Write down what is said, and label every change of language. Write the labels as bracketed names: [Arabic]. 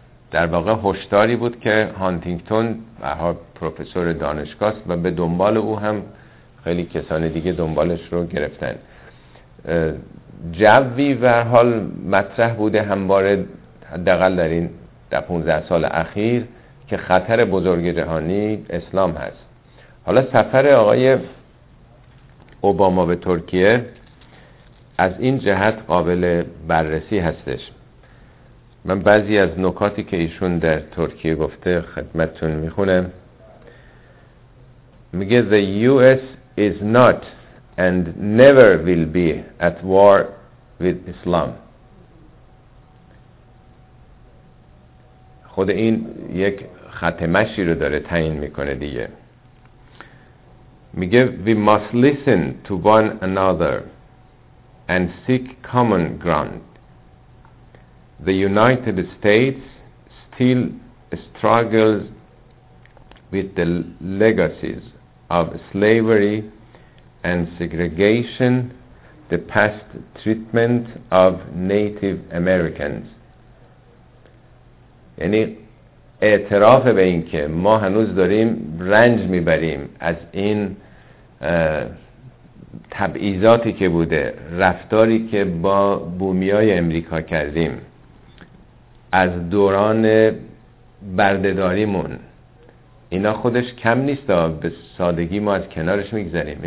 [Persian] در واقع هشداری بود که هانتینگتون، بها پروفسور دانشگاه است و به دنبال او هم خیلی کسان دیگه دنبالش رو گرفتن، جوی به حال مطرح بوده همواره حداقل در این 15 سال اخیر که خطر بزرگ جهانی اسلام هست. حالا سفر آقای اوباما به ترکیه از این جهت قابل بررسی هستش. من بعضی از نکاتی که ایشون در ترکیه گفته خدمتتون میخونم. میگه [English] The US is not and never will be at war with Islam. [Persian] خود این یک خط مشی رو داره تعیین میکنه دیگه. میگه [English] We must listen to one another and seek common ground. The United States still struggles with the legacies of slavery and segregation, the past treatment of Native Americans. [Persian] یعنی اعتراف به این که ما هنوز داریم رنج میبریم از این تبعیضاتی که بوده، رفتاری که با بومیای امریکا کردیم از دوران بردهداریمون، اینا خودش کم نیست و به سادگی ما از کنارش میگذاریم.